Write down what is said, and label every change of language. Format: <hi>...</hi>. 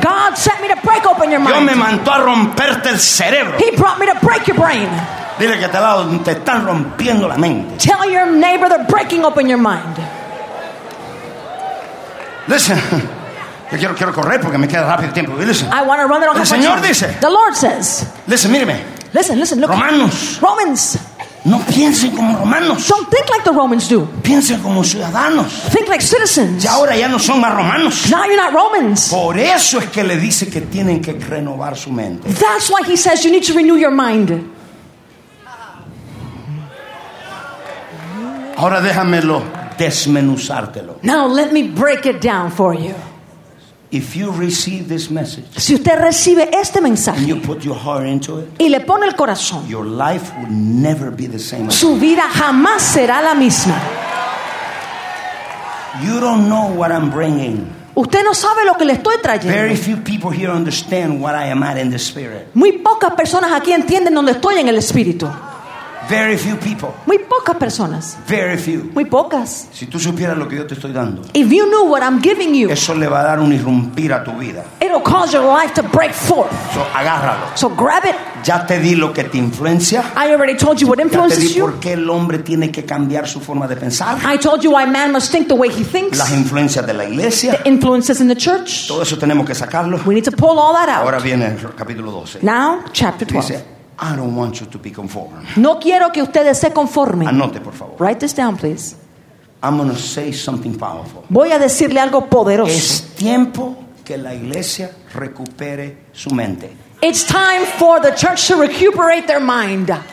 <en>God sent me to break open your mind.</en> <es>Dios me mandó a romperte el cerebro.</es> <en>He brought me to break your brain.</en> <es>Dile que te están rompiendo la mente.</es> <en>Tell your neighbor they're breaking open your mind. Listen.</en> <es>Yo quiero correr porque me queda rápido tiempo.</es> <en>Listen. I want to run it on</en> <es>El Señor dice.</es> <en>The Lord says. Listen,</en> <es>míreme.</es> <en>Listen, look.</en> <es>Romanos.</es> <en>Romans.</en> <es>No piensen como romanos.</es> <en>Don't think like the Romans do.</en> <es>Piensen como ciudadanos.</es> <en>Think like citizens.</en> <es>Y ahora ya no son más romanos.</es> <en>Now you're not Romans.</en> <es>Por eso es que le dice que tienen que renovar su mente.</es> <en>That's why he says you need to renew your mind.</en> <es>Ahora déjamelo desmenuzártelo.</es> <en>Now let me break it down for you. If you receive this message,</en> <es>si usted recibe este mensaje,</es> <en>and you put your heart into it,</en> <es>y le pone el corazón,</es> <en>your life will never be the same.</en> <es>Su vida jamás será la misma.</es> <en>You don't know what I'm bringing.</en> <es>Usted no sabe lo que le estoy trayendo.</es> <en>Very few people here understand what I am at in the spirit.</en> <es>Muy pocas personas aquí entienden dónde estoy en el espíritu.</es> <en>Very few people.</en> <es>Muy pocas personas.</es> <en>Very few.</en> <es>Muy pocas. Si tú supieras lo que yo te estoy dando.</es> <en>If you knew what I'm giving you.</en> <es>Eso le va a dar un irrumpir a tu vida.</es> <en>It'll cause your life to break forth.</en> <es>So agárralo.</es> <en>So grab it.</en> <es>Ya te di lo que te influencia.</es> <en>I already told you what influences you.</en> <es>Ya te di por qué el hombre tiene que cambiar su forma de pensar.</es> <en>I told you why man must think the way he thinks.</en> <es>Las influencias de la iglesia.</es> <en>The influences in the church.</en> <es>Todo eso tenemos que sacarlo.</es> <en>We need to pull all that out.</en> <es>Ahora viene el capítulo 12.</es> <en>Now chapter 12.</en> <es>Dice,</es> <en>I don't want you to be conformed.</en> <es>No quiero que ustedes se conformen. Anote, por favor.</es> <en>Write this down, please. I'm going to say something powerful.</en> <es>Voy a decirle algo poderoso. Es tiempo que la iglesia recupere su mente.</es> <en>It's time for the church to recuperate their mind.</en>